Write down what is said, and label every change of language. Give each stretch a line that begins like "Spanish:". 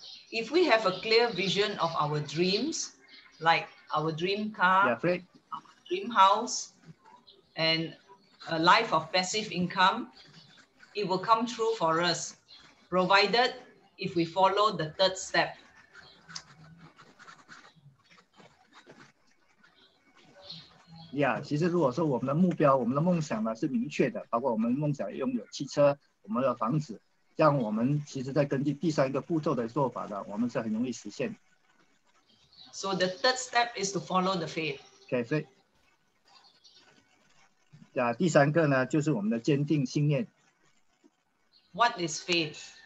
English: If we have a clear vision of our dreams, like our dream car, yeah, right. Our dream house, and a life of passive income, it will come true for us, provided if we follow the third step.
Chinese: Yeah, 其实如果说我们的目标、我们的梦想呢是明确的，包括我们梦想拥有汽车、我们的房子。这样我们其实在根据第三个步骤的做法呢，我们是很容易实现。So
English: the third step is to follow the faith.
Chinese: Okay, so, yeah, 第三个呢，就是我们的坚定信念。What
English: is faith?